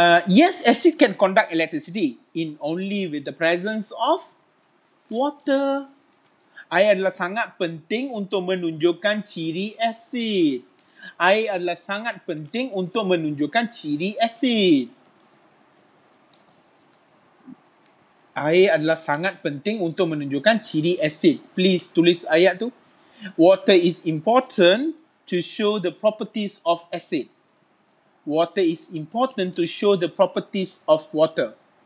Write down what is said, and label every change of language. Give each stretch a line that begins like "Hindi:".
English: Yes, acid can conduct electricity in only with the presence of water.
Malay: Air adalah sangat penting untuk menunjukkan ciri acid. Air adalah sangat penting untuk menunjukkan ciri acid. Air adalah sangat penting untuk menunjukkan ciri asid. Please tulis ayat tu.
English: Water is important to show the properties of acid. Water is important to show the properties of water.